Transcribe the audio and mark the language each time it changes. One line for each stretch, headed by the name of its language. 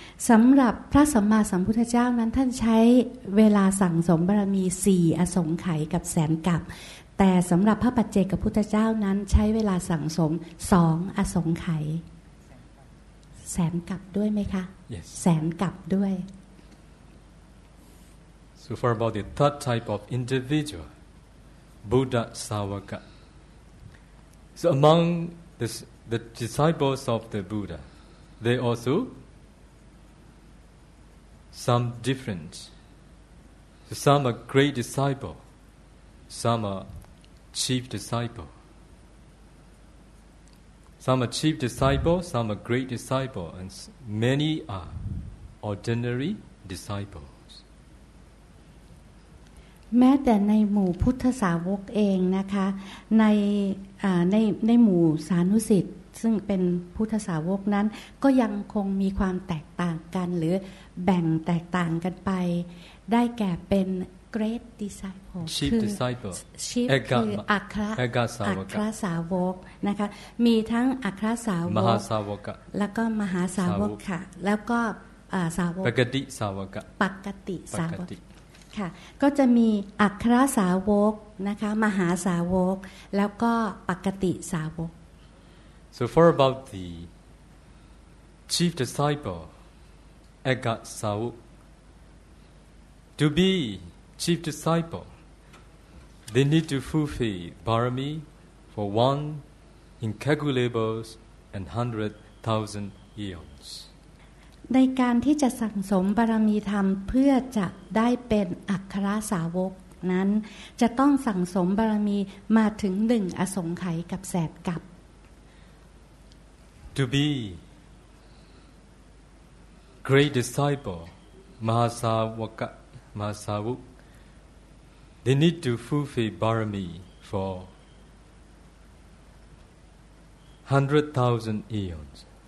Thai: สำหรับพระสัมมาสัมพุทธเจ้านั้นท่านใช้เวลาสั่งสมบารมี4อสงไขยกับแสนกัปแต่สำหรับพระปัจเจกพุทธเจ้านั้นใช้เวลาสั่งสม2อสงไขยแสนกัปด้วยไหมคะ
English: yes.
Thai: แสนกัปด้วย
English: So for about the third type of individual Buddha Savaka So among the disciples of the Buddha they alsoSome different. Some are great disciple. Some are chief disciple. Some are chief disciple. Some are great disciple, and many are ordinary disciples.
Thai: แม้แต่ในหมู่พุทธสาวกเองนะคะในหมู่สานุสิตซึ่งเป็นพุทธสาวกนั้นก็ยังคงมีความแตกต่างกันหรือแบ่งแตกต่างกันไปได้แก่เป็น great disciple
English: chief disciple
Thai: chief คืออัคร สาวกั ครสาวกนะคะมีทั้งอัครสาวก มหาสาวก แล้วก็มหาสาวกค่ะแล้วก็สาวก ปกติสาวก ปกติสาวกค่ะก็จะมีอัครสาวกนะคะมหาสาวกแล้วก็ปกติสาวก
English: So for about the chief disciple, Eggasawuk, to be chief disciple, they need to fulfill barami for one incalculable and 100,000 eons.
Thai: ในการที่จะสั่งสมบารมีธรรมเพื่อจะได้เป็นอัครสาวกนั้นจะต้องสั่งสมบารมีมาถึง1อสงไขยกับแสนกัป
English: To be great disciple, Mahasavaka, Mahasavuk, they need to fulfill barami for 100,000 eons.